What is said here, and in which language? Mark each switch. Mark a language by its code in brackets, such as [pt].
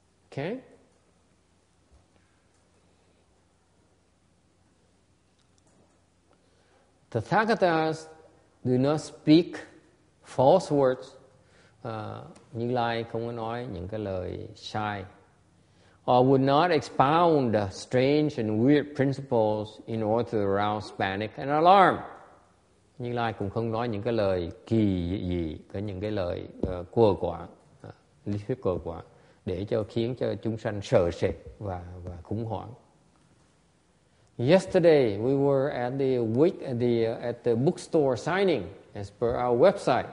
[en] Okay? The Tathagatas do not speak false words. [vi] Như Lai không có nói những cái lời sai. [en] Or would not expound strange and weird principles in order to arouse panic and alarm. [vi] Như Lai cũng không nói những cái lời kỳ gì, cái những cái lời cua quả, lý thuyết cua quả, để cho khiến cho chúng sanh sợ sệt và khủng hoảng. [en] Yesterday we were at the bookstore signing as per our website.